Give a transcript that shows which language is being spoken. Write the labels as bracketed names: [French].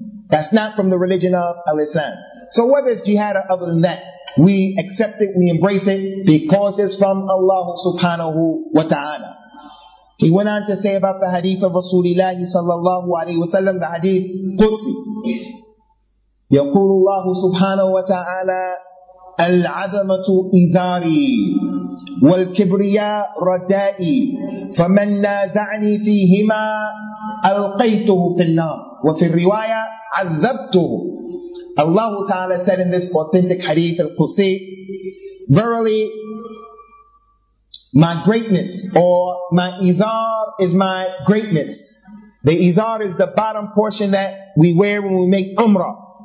[English] That's not from the religion of Al-Islam. So whether it's jihad or other than that, we accept it, we embrace it, because it's from Allah subhanahu wa ta'ala. He went on to say about the hadith of Rasulullah sallallahu alayhi wa sallam, the hadith Qudsi. [Arabic] يقول الله سبحانه وتعالى العظمة إزاري والكبرياء ردائي فمن نازعني فيهما ألقيته في النار وفي الرواية عذبته. [English] Allah Ta'ala said in this authentic hadith al-Qudsi, verily, my greatness, or my izar, is my greatness. The izar is the bottom portion that we wear when we make umrah.